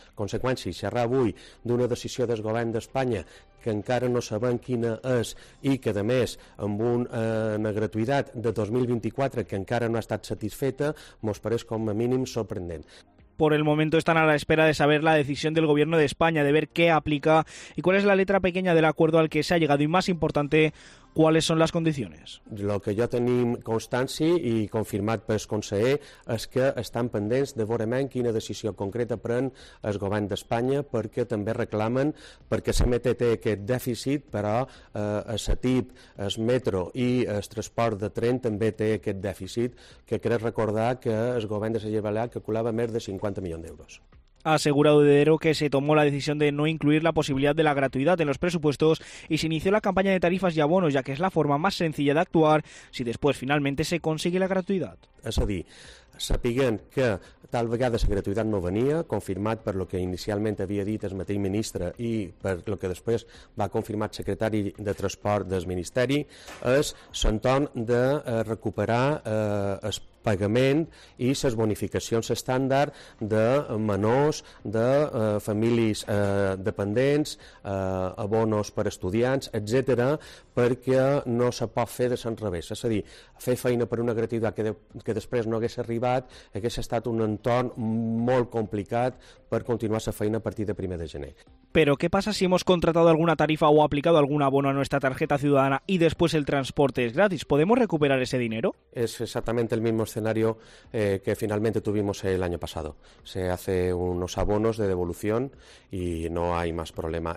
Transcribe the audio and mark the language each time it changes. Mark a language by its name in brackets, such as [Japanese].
[Catalan] Conseqüència, xerrar avui d'una decisió del govern d'Espanya que encara no sabem quina és i que, a més, amb una gratuïtat de 2024 que encara no ha estat satisfeta, mos pareix com a mínim sorprendent. [Spanish] Por el momento están a la espera de saber la decisión del gobierno de España, de ver qué aplica y cuál es la letra pequeña del acuerdo al que se ha llegado y, más importante, ¿cuáles son las condiciones? [Catalan] Lo que jo tenim constància i confirmat pel conseller és que estan pendents de veure quina decisió concreta pren el govern d'Espanya, perquè també reclamen, perquè CMT té aquest dèficit, però CETIP, el metro i el transport de tren també té aquest dèficit, que crec recordar que el govern de Sallet Balear calculava més de 50 milions d'euros. [Spanish] Ha asegurado Dedero que se tomó la decisión de no incluir la posibilidad de la gratuidad en los presupuestos y se inició la campaña de tarifas y abonos, ya que es la forma más sencilla de actuar si después finalmente se consigue la gratuidad. [Catalan] Es a dir, sapiguen que tal vegada la gratuïtat no venia, confirmat per el que inicialment havia dit el mateix ministre i per el que després va confirmar el secretari de Transport del Ministeri, és l'entorn de recuperar els pagament i les bonificacions estàndard de menors, de famílies dependents, abonos per estudiants, etc., perquè no se pot fer de l'enrevés. És a dir, fer feina per una gratuïtat que després no hagués arribat hagués estat un entorn molt complicat per continuar la feina a partir de 1 de gener. Però què passa si [Spanish] hemos contratado alguna tarifa o aplicado algún abono a nuestra tarjeta ciudadana y después el transporte es gratis? ¿Podemos recuperar ese dinero? Es exactamente el mismo escenario que finalmente tuvimos el año pasado. Se hace unos abonos de devolución y no hay más problema.